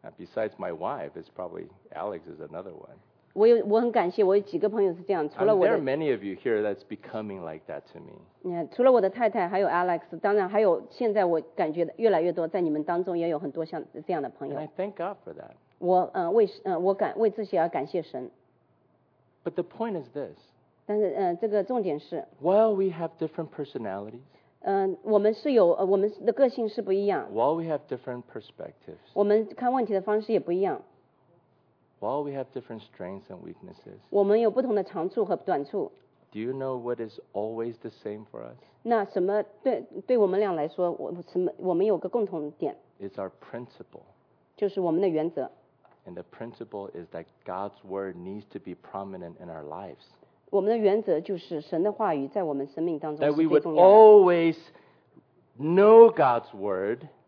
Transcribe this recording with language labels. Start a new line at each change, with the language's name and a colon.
English: Besides my wife, it's probably Alex is another one.
Chinese: 我很感谢我有几个朋友是这样。除了我的
English: there are many of you here that's becoming like that to me.
Chinese: 除了我的太太，还有 Alex， 当然还有现在我感觉越来越多，在你们当中也有很多像这样的朋友。
English: And I thank God for that.
Chinese: 我为这些而感谢神。
English: But the point is this.
Chinese: 但是这个重点是。
English: While we have different personalities.
Chinese: 我们是有我们的个性是不一样。
English: While we have different perspectives.
Chinese: 我们看问题的方式也不一样。
English: While we have different strengths and weaknesses.
Chinese: 我们有不同的长处和短处。
English: Do you know what is always the same for us?
Chinese: 那什么对我们俩来说，我们有个共同点。
English: It's our principle.
Chinese: 就是我们的原则。
English: And the principle is that God's word needs to be prominent in our lives.
Chinese: 我们的原则就是神的话语在我们生命当中是最重要的。
English: That we would always know God's word.